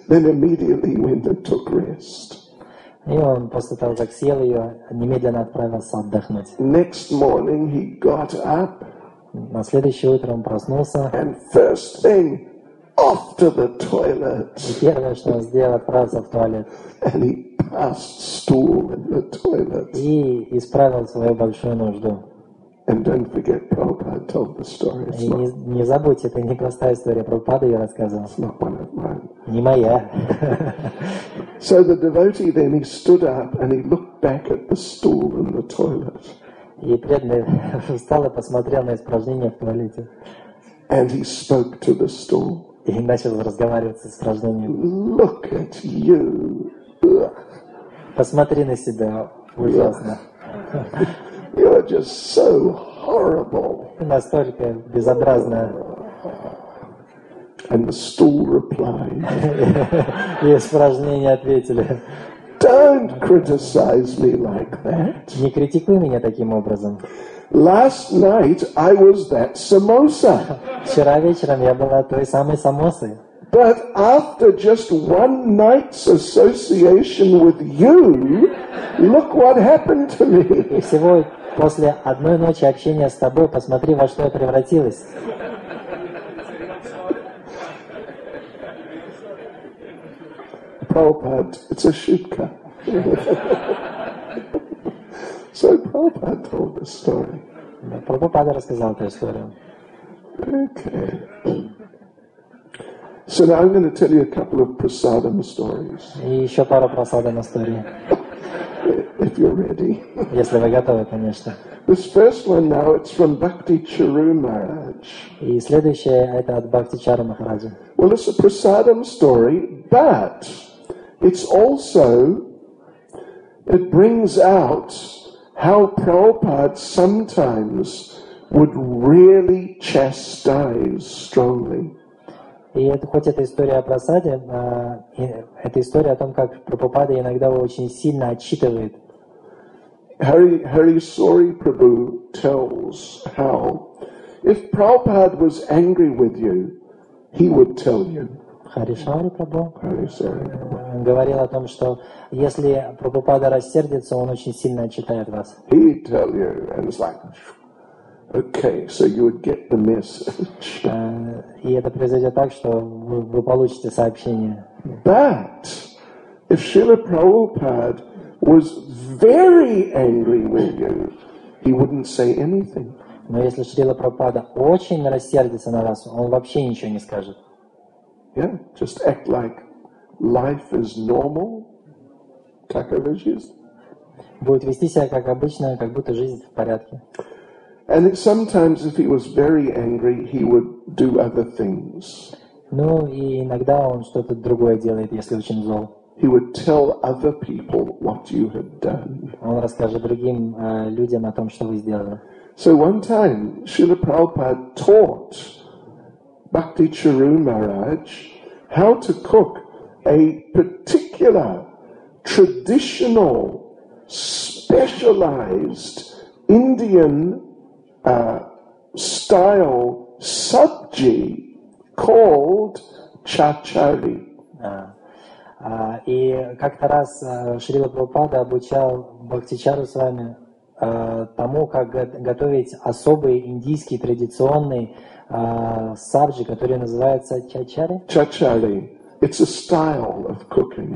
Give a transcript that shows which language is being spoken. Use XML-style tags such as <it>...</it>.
<en>Then immediately went and took rest.</en> <ru>И он после того, как съел ее, немедленно отправился отдохнуть.</ru> <en>Next morning he got up.</en> <ru>На следующее утро он проснулся.</ru> <en>And first thing, off to the toilet.</en> <ru>И первое, что он сделал, отправился в туалет.</ru> <en>And he passed stool in the toilet.</en> <ru>И исправил свою большую нужду.</ru> <en>And don't forget, Prabhupada told the story.</en> <ru>И не забудь, это не простая история, Прабхупада ее рассказывал.</ru> <en>It's not one of mine.</en> <ru>Не моя.</ru> <en>So the devotee then he stood up and he looked back at the stool in the toilet.</en> <ru>И преданный встал и посмотрел на испражнение в туалете.</ru> <en>And he spoke to the stool.</en> <ru>И начал разговаривать с испражнением.</ru> <en>Look at you.</en> <ru>Посмотри на себя. Ужасно.</ru> <en>You are just so horrible.</en> <ru>Ты настолько безобразна.</ru> <en>And the stool replied.</en> <ru>И испражнение ответили.</ru> <en>Don't criticize me like that.</en> <ru>Не критикуй меня таким образом.</ru> <en>Last night I was that samosa.</en> <ru>Вчера вечером я была той самой самосой.</ru> <en>But after just one night's association with you, look what happened to me.</en> <ru>И всего после одной ночи общения с тобой, посмотри, во что я превратилась.</ru> <en>Prabhupada, it's a shukka. So Prabhupada told the story.</en> <ru>Prabhupada рассказал эту историю.</ru> <en>Okay. So now I'm going to tell you a couple of prasadam stories.</en> <ru>И еще пару прасадам истории.</ru> <en>If you're ready.</en> <ru>Если вы готовы, конечно.</ru> <en>This first one now, it's from Bhakti Charu Maharaj.</en> <ru>И следующее это от Бхакти Чару Махараджа.</ru> <en>Well, it's a prasadam story, but it's also, it brings out how Prabhupada sometimes would really chastise strongly.</en> <ru>И это, хоть это история о просаде, это история о том, как Прабхупада иногда очень сильно отчитывает.</ru> <en>Hari Sori Prabhu tells how, if Prabhupada was angry with you, he would tell you.</en> <ru>Харишвари Прабху. Харишвари Прабху. Он говорил о том, что если Прабхупада рассердится, он очень сильно отчитает вас.</ru> <en>He tell you, and it's like, okay, so you would get the message.</en> <ru>И это произойдет так, что вы получите сообщение.</ru> <en>But if Srila Prabhupada was very angry with you, he wouldn't say anything.</en> <ru>Но если Шрила Прабхупада очень рассердится на вас, он вообще ничего не скажет.</ru> <en>Yeah, just act like life is normal.</en> <ru>Будет вести себя как обычно, как будто жизнь в порядке.</ru> <en>And sometimes, if he was very angry, he would do other things.</en> <ru>Ну и иногда он что-то другое делает, если очень зол.</ru> <en>He would tell other people what you had done.</en> <ru>Он расскажет другим людям о том, что вы сделали.</ru> <en>So one time, Srila Prabhupada taught Bhakti Charu Maharaj how to cook a particular traditional specialized Indian style sabji called chachari.</en> <ru>И как-то раз Шрила Прабхупада обучал Бхакти Чару с вами тому, как готовить особый индийский традиционный сабджи, который называется чачари.</ru> <en>Чачари. It's a style of cooking.</en>